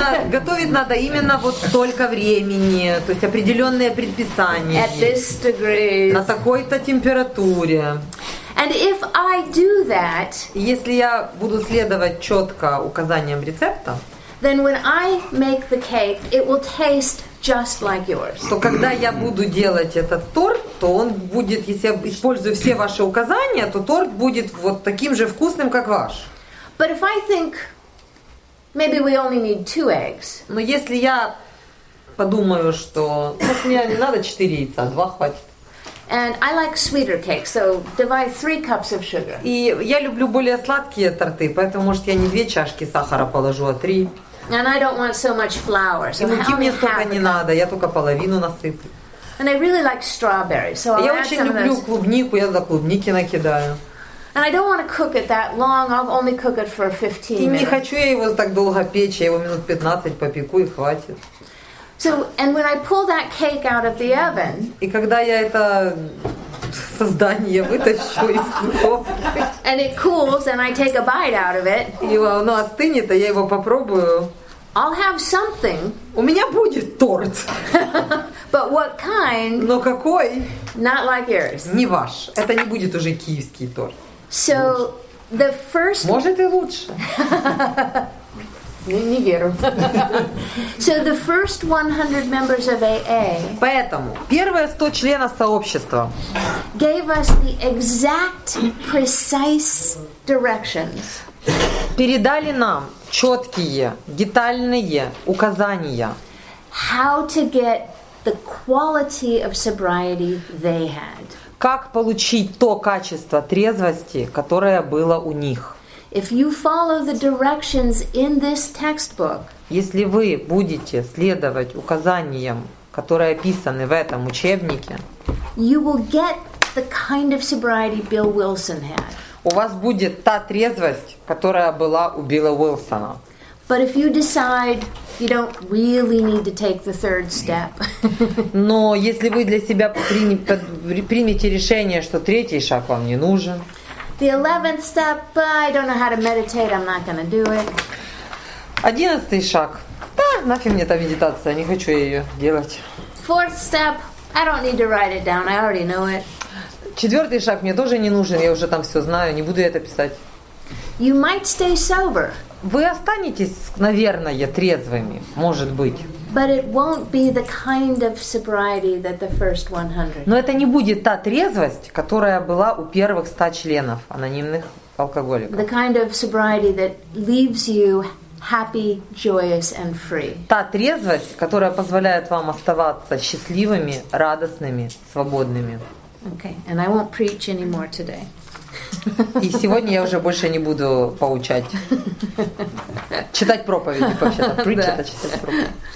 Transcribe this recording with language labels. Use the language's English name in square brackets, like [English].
[Russian] Готовить надо именно вот столько времени, то есть определенные предписания. [English] At this degree. [Russian] На такой-то температуре. [English] And if I do that, [Russian] если я буду следовать четко указаниям рецепта, [English] then when I make the cake, it will taste just like yours. [Russian] То когда я буду делать этот торт, то он будет, если я использую все ваши указания, то торт будет вот таким же вкусным, как ваш. [English] But if I think maybe we only need 2 eggs. [Russian] Но если я подумаю, что мне не надо 4 яйца, 2 хватит. [English] And I like sweeter cakes, so divide 3 cups of sugar. [Russian] И я люблю более сладкие торты, поэтому, может, я не 2 чашки сахара положу, а 3. [English] And I don't want so much flour, so I only have. [Russian] И муки мне столько не надо, я только половину насыплю. [English] And I really like strawberries, so I'll add some of those. [Russian] Я очень люблю клубнику, я за клубники накидаю. [English] And I don't want to cook it that long. I'll only cook it for 15 minutes. [Russian] И не хочу я его так долго печь, я его минут 15 попеку и хватит. [English] So, and when I pull that cake out of the oven, [Russian] и когда я это создание вытащу из духовки, [English] and it cools, and I take a bite out of it, [Russian] и оно остынет, а я его попробую, [English] I'll have something. [Russian] У меня будет торт. [English] But what kind? [Russian] Но какой? [English] Not like yours. [Russian] Не ваш. Это не будет уже киевский торт. [English] So [Russian] лучше. [English] The first. [Russian] Может и лучше. Не верю. [English] So the first 100 members of AA. [Russian] Поэтому первые 100 членов сообщества [English] gave us the exact precise directions. [Russian] Передали нам четкие, детальные указания. [English] How to get the quality of sobriety they had. [Russian] Как получить то качество трезвости, которое было у них. [English] If you follow the directions in this textbook, [Russian] если вы будете следовать указаниям, которые описаны в этом учебнике, [English] you will get the kind of sobriety Bill Wilson had. [Russian] У вас будет та трезвость, которая была у Билла Уилсона. [English] But if you decide you don't really need to take the third step, [Russian] но если вы для себя примете решение, что третий шаг вам не нужен, [English] the 11th step, I don't know how to meditate, I'm not going to do it. [Russian] 11th шаг. Да, нафиг мне та медитация, не хочу я ее делать. [English] 4th step, I don't need to write it down, I already know it. [Russian] 4th шаг мне тоже не нужен, я уже там все знаю, не буду я это писать. [English] You might stay sober. [Russian] Вы останетесь, наверное, трезвыми, может быть. [English] But it won't be the kind of sobriety that the first 100. [Russian] Но это не будет та трезвость, которая была у первых 100 членов анонимных алкоголиков. [English] The kind of sobriety that leaves you happy, joyous, and free. [Russian] Та трезвость, которая позволяет вам оставаться счастливыми, радостными, свободными. [English] Okay, and I won't preach anymore today. [Russian] И сегодня я уже больше не буду поучать. Читать проповеди вообще-то. Притча это читать проповедь.